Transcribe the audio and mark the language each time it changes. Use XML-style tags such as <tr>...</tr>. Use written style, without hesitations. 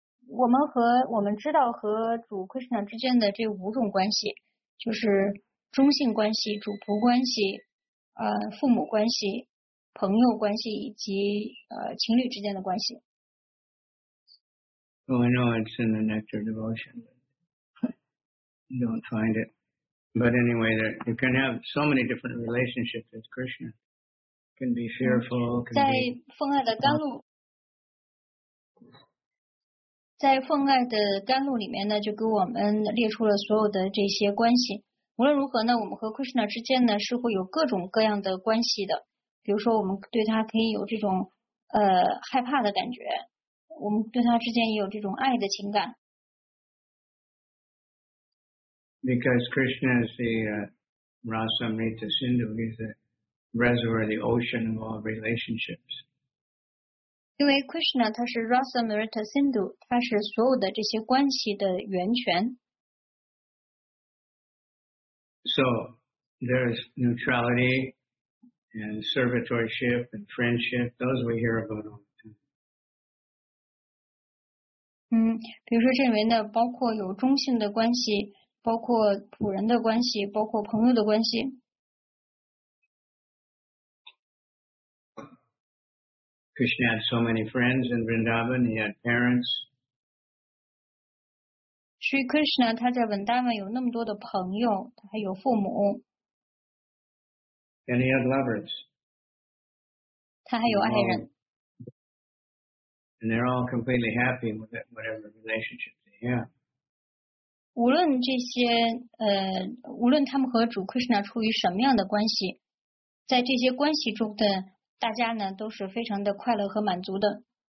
<zh>我们知道和主 Krishna 之间的这五种关系，就是中性关系、主仆关系、父母关系、朋友关系以及情侣之间的关系。</zh> <en>Oh, I know it's in the Nectar Devotion, but you don't find it. But anyway, you can have so many different relationships with Krishna. It can be fearful, can</en> <zh>在奉爱的甘露，在奉爱的甘露里面呢，就给我们列出了所有的这些关系。无论如何呢，我们和 Krishna 之间呢，是会有各种各样的关系的。比如说，我们对他可以有这种害怕的感觉。我们对他之间也有这种爱的情感。</zh> <en>Because Krishna is the Rasamrita Sindhu, he's the reservoir, the ocean of all relationships.</en> <zh>因为 Krishna 他是 Rasamrita Sindhu, 他是所有的这些关系的源泉。</zh> <en>So there is neutrality and servitorship and friendship, those we hear about all.</en> <zh>比如说这里面的包括有中性的关系，包括仆人的关系，包括朋友的关系。</zh> <en>Krishna had so many friends in Vrindavan, he had parents.</en> <zh>Sri Krishna, 他在 Vrindavan 有那么多的朋友，他还有父母。</zh> <en>And he had lovers.</en> <zh>他还有爱人。</zh> <en>And they're all completely happy with whatever relationship they have.</en> <zh>无论这些无论他们和主 Krishna 处于什么样的关系，在这些关系中的大家呢，都是非常的快乐和满足的。</zh>